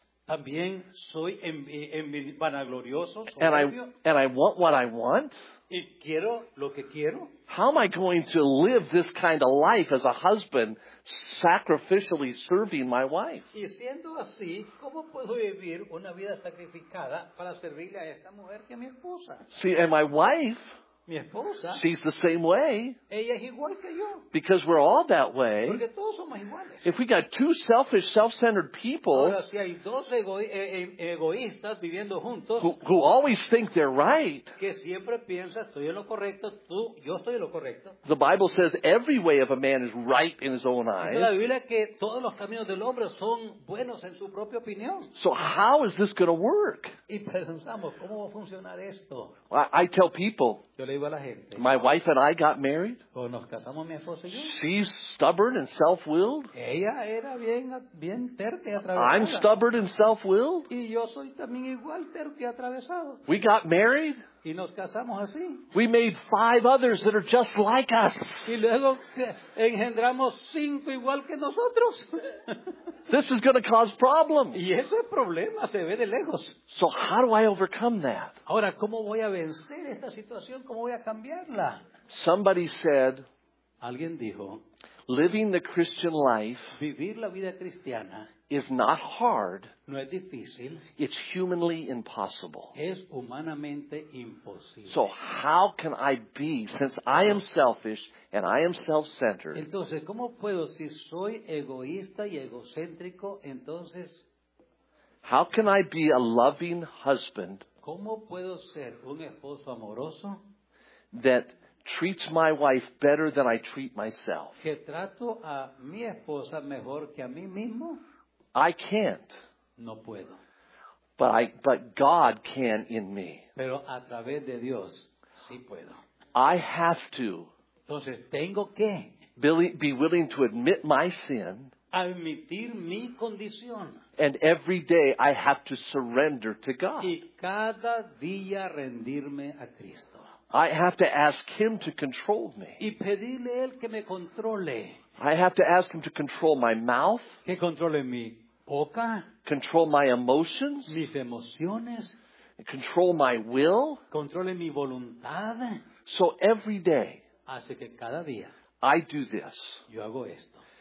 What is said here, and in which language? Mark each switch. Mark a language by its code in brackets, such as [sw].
[es] también soy vanaglorioso, [en] and I want what I want. [es] Y quiero lo que quiero. [en] How am I going to live this kind of life as a husband, sacrificially serving my wife? [es] Y siendo así, ¿cómo puedo vivir una vida sacrificada para servirle a esta mujer que es mi esposa? [en] See, and my wife, [es] mi esposa, [en] she's the same way. [es] Ella es igual que yo. [en] Because we're all that way. [es] Porque todos somos iguales. [en] If we got two selfish, self-centered people, [es] ahora, si hay dos egoístas viviendo juntos, [en] who always think they're right, [es] que siempre piensa, estoy en lo correcto, tú, yo estoy en lo correcto. [en] The Bible says every way of a man is right in his own eyes. [es] La Biblia que todos los caminos del hombre son buenos en su propia opinión. [en] So how is this going to work? [es] Y pensamos, ¿cómo va a funcionar esto? [en] I tell people, my wife and I got married. [es] Nos casamos, mi esposa y yo. [en] She's stubborn and self-willed. [es] Ella era bien terca y atravesada. [en] I'm stubborn and self-willed. [es] Y yo soy también igual, terca y atravesado. [en] We got married. [es] Y nos casamos así. [en] We made five others that are just like us. [es] Y luego engendramos cinco igual que nosotros. [en] This is going to cause problems. [es] Y ese problema se ve de lejos. [en] So how do I overcome that? [es] Ahora, ¿cómo voy a vencer esta situación? ¿Cómo voy a cambiarla? [en] Somebody said, [es] alguien dijo, [en] living the Christian life, [es] vivir la vida cristiana, [en] is not hard. [es] No es difícil. [en] It's humanly impossible. [es] Es humanamente imposible. [en] So how can I be, since I am selfish and I am self-centered? [es] Entonces, ¿cómo puedo, si soy egoísta y egocéntrico, entonces? [en] How can I be a loving husband? [es] ¿Cómo puedo ser un esposo amoroso? [en] That treats my wife better than I treat myself. [es] Que trato a mi esposa mejor que a mí mismo. [en] I can't. [es] No puedo. [en] But God can in me. [es] Pero a través de Dios, sí puedo. [en] I have to. [es] Entonces, tengo que. [en] Be willing to admit my sin. [es] Admitir mi condición. [en] And every day I have to surrender to God. [es] Y cada día rendirme a Cristo. [en] I have to ask Him to control me. [es] Y pedirle a Él que me controle. [en] I have to ask Him to control my mouth. [es] Que controle mi boca. [en] Control my emotions. [es] Mis emociones. [en] Control my will. [es] Controle mi voluntad. [en] So every day. [es] Así que cada día. [en] I do this. [es] Yo hago esto.